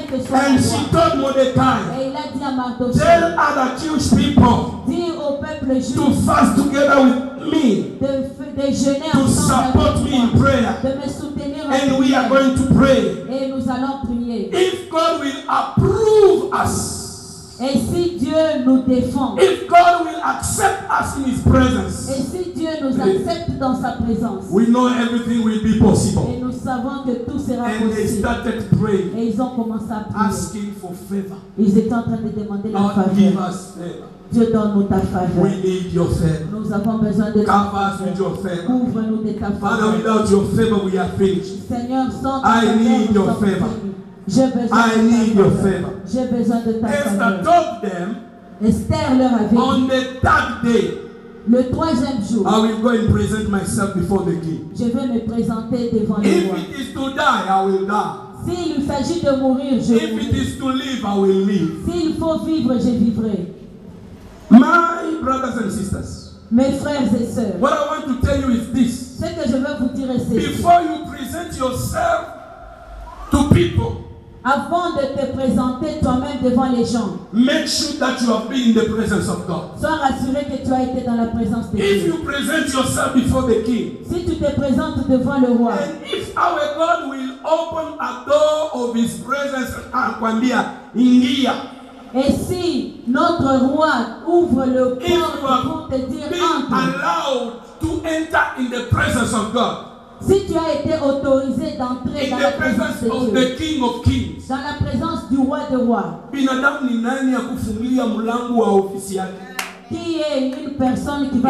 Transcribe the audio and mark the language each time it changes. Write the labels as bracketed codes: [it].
[en] And she told Mordecai, tell other Jewish people to fast together with me, to support me in prayer, and we are going to pray. If God will approve us, [fr] et si Dieu nous défend, [en] if God will accept us in his presence, [fr] et si Dieu nous accepte dans sa présence, [en] we know everything will be possible. [fr] Et nous savons que tout sera [en] and [fr] possible. [en] They started praying, [fr] et ils ont commencé à prier, [en] asking for favor. [fr] Ils étaient en train de demander [en] God [fr] la faveur. [en] Give us favor. [fr] Dieu donne-nous ta faveur. [en] We need your favor. [fr] Nous avons besoin de ta faveur. Couvre-nous de ta faveur. [en] Father, without your favor, we are finished. [fr] Seigneur, sans ta faveur, [en] I need your favor. [fr] J'ai besoin de ta faveur. J'ai besoin de ta faveur. Esther leur a dit, [en] on the third day, [fr] le troisième jour, [en] I will go and present myself before the king. [fr] Je vais me présenter devant le roi. [en] If it is to die, I will die. [fr] S'il s'agit de mourir, je [en] mourrai. If it is to live, I will live. [fr] S'il faut vivre, je vivrai. [en] My brothers and sisters, [fr] mes frères et sœurs, [en] what I want to tell you is this. [fr] Ce que je veux vous dire, c'est [en] before you present yourself to people, [fr] avant de te présenter toi-même devant les gens, [en] make sure that you have been in the presence of God. [fr] Sois rassuré que tu as été dans la présence de Dieu. [en] If you present yourself before the king, [fr] si tu te présentes devant le roi, [en] and if our God will open a door of his presence, [sw] akwambia ingia. [fr] Et si notre roi ouvre le port pour te dire [en] entre, being allowed to enter in the presence of God. [fr] Si tu as été autorisé d'entrer dans la présence de Dieu, [en] the King of Kings, [fr] dans la présence du roi de rois, [sw] binadamu ni nani akufungulia mlango wa ofisi yake? [fr] Qui est une personne qui va